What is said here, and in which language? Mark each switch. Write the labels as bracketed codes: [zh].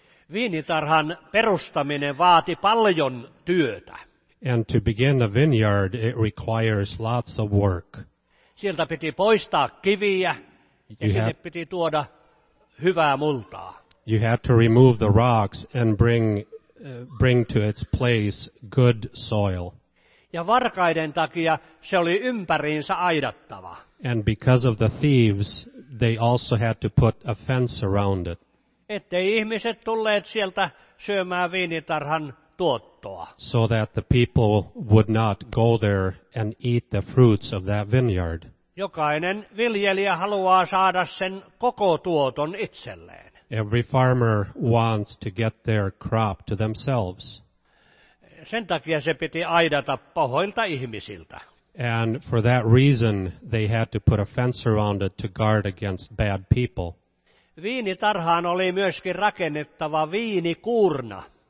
[fi] Viinitarhan perustaminen vaati paljon työtä. [en] And to begin a vineyard, it requires lots of work. [fi] Sieltä piti poistaa kiviä ja sinne piti tuoda hyvää multaa. [en] You had to remove the rocks and bring to its place good soil. [fi] Ja varkaiden takia se oli ympäriinsä aidattava. [en] And because of the thieves, they also had to put a fence around it. [fi] Ettei ihmiset tulleet sieltä syömään viinitarhan tuottoa. [en] So that the people would not go there and eat the fruits of that vineyard. [fi] Jokainen viljelijä haluaa saada sen koko tuoton itselleen. [en] Every farmer wants to get their crop to themselves. [fi] Sen takia se piti aidata pahoilta ihmisiltä. [en] And for that reason, they had to put a fence around it to guard against bad people. [fi] Viinitarhaan oli myöskin rakennettava viinikuurna.